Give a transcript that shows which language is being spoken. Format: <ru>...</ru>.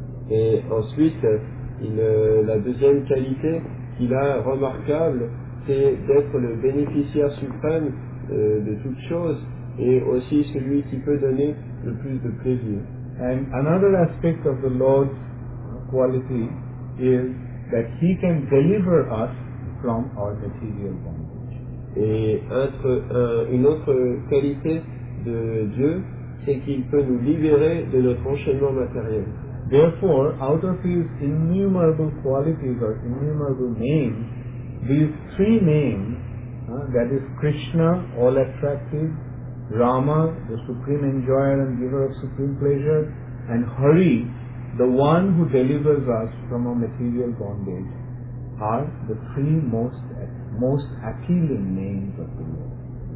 <fr>Et ensuite, la deuxième qualité qu'il a remarquable, c'est d'être le bénéficiaire suprême de toutes choses et aussi celui qui peut donner le plus de plaisir.</fr> <en>And another aspect of the Lord's quality is that he can deliver us from our material bondage.</en> <fr>Et une autre qualité de Dieu, c'est qu'il peut nous libérer de notre enchaînement matériel.</fr> <en>Therefore, out of his innumerable qualities or innumerable names, these three names, that is Krishna, all-attractive, Rama, the supreme enjoyer and giver of supreme pleasure, and Hari, the one who delivers us from our material bondage, are the three most appealing names of the Lord.</en>